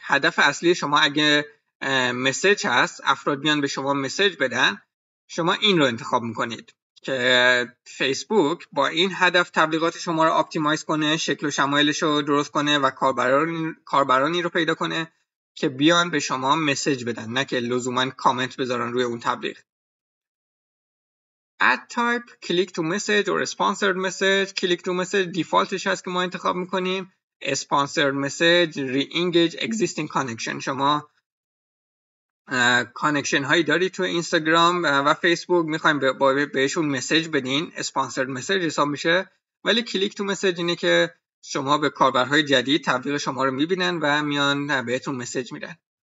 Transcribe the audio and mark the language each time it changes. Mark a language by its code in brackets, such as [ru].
[fa] هدف اصلی شما اگه مسیج هست، افراد بیان به شما مسیج بدن، شما این رو انتخاب میکنید که فیسبوک با این هدف تبلیغات شما رو آپتیمایز کنه، شکل و شمایلش رو درست کنه و کاربرانی رو پیدا کنه که بیان به شما مسیج بدن، نه که لزوماً کامنت بذارن روی اون تبلیغ. [en] Ad type, click to message or sponsored message. [fa] Click to message دیفالتش هست که ما انتخاب میکنیم. [en] Sponsored message, re-engage existing connection. [fa] شما کانکشن هایی دارید تو اینستاگرام و فیسبوک، میخواییم بهشون مسیج بدین، sponsored message حساب میشه. ولی click to message اینه که شما به کاربرهای جدید تبلیغ شما رو میبینن و میان بهتون مسیج میدن.